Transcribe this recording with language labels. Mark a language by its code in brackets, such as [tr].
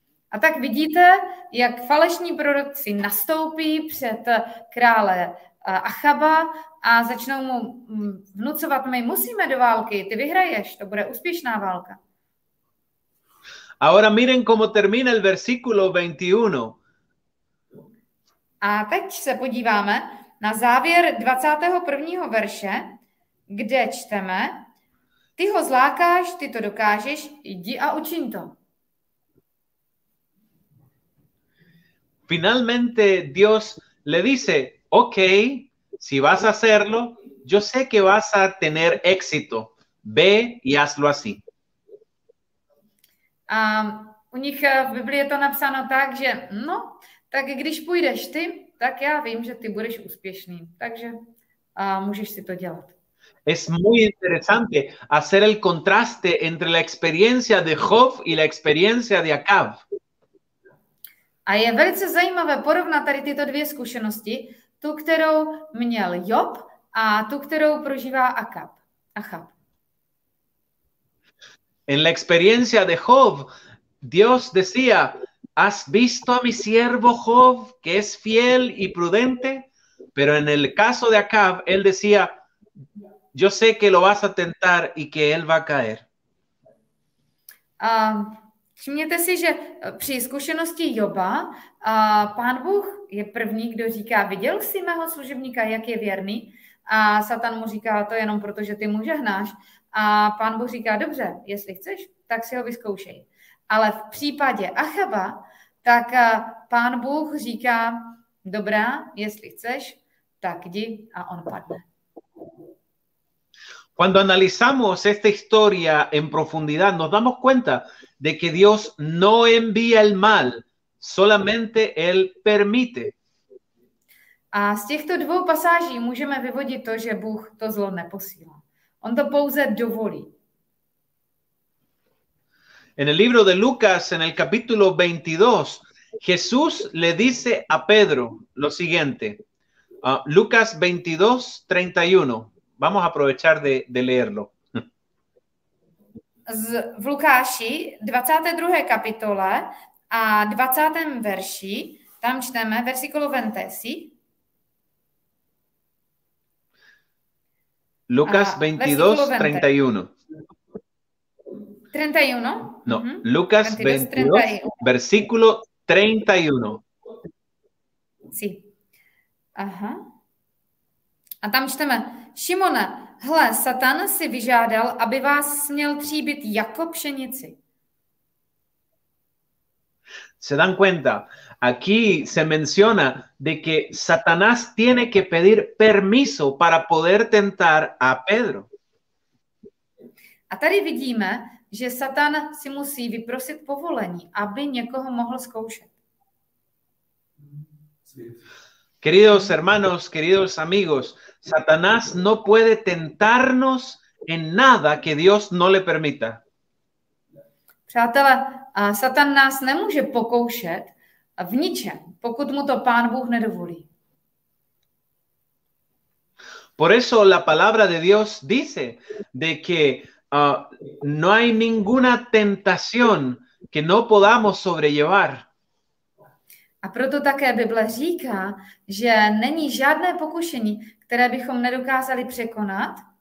[cs] A tak vidíte, jak falešní proroci nastoupí před krále Achaba a začnou mu vnucovat, my musíme do války, ty vyhraješ, to bude úspěšná válka. [es] Ahora miren cómo termina el versículo 21. [cs] A teď se podíváme na závěr 21. verše, kde čteme, ty ho zlákáš, ty to dokážeš, jdi a učin to. [es] Finalmente Dios le dice, ok, si vas a hacerlo, yo sé que vas a tener éxito. Ve y hazlo así. [cs] U nich v Biblii je to napsáno tak, že no, tak když půjdeš ty, tak já vím, že ty budeš úspěšný. Takže můžeš si to dělat. [es] Es muy interesante hacer el contraste entre la experiencia de Job y la experiencia de Acab. [cs] A je velice zajímavé porovnat tady tyto dvě zkušenosti, tu, kterou měl Job a tu, kterou prožívá Achab. [es] En la experiencia de Job, Dios decía, ¿has visto a mi siervo Job, que es fiel y prudente? Pero en el caso de Acab, él decía, yo sé que lo vas a tentar y que él va a caer. [cs] Všimněte si, že při zkušenosti Joba Pán Bůh je první, kdo říká, viděl jsi mého služebníka, jak je věrný? A Satan mu říká, to jenom proto, že ty mu žehnáš. A Pán Bůh říká, dobře, jestli chceš, tak si ho vyzkoušej. Ale v případě Achaba, tak Pán Bůh říká, dobrá, jestli chceš, tak jdi a on padne. [es] Cuando analizamos esta historia en profundidad, nos damos cuenta de que Dios no envía el mal, solamente él permite. [cs] A z těchto dvou pasáží můžeme vyvodit to, že Bůh to zlo neposílá. On to pouze dovolí. [es] En el libro de Lucas, en el capítulo 22, Jesús le dice a Pedro lo siguiente. Lucas 22, 31. Vamos a aprovechar de leerlo. [cs] V Lukáši 22. kapitole a 20. verši, tam čteme [es] versículo 20. Lucas 22, 31. 31? No, Lucas 22, versículo 31. Sí. Aha. [cs] A tam čteme, Šimone, hle, Satan si vyžádal, aby vás směl tříbit jako pšenici. [es] Se dan cuenta, aquí se menciona de que Satanás tiene que pedir permiso para poder tentar a Pedro. [cs] A tady vidíme, že Satan si musí vyprosit povolení, aby někoho mohl zkoušet. [es] Queridos hermanos, queridos amigos, Satanás no puede tentarnos en nada que Dios no le permita. [cs] Přátelé, Satan nás nemůže pokoušet v ničem, pokud mu to Pán Bůh nedovolí. [es] Por eso la palabra de Dios dice de que no hay ninguna tentación que no podamos sobrellevar. [cs] A proto také Bible říká, že není žádné pokušení, které bychom nedokázali překonat.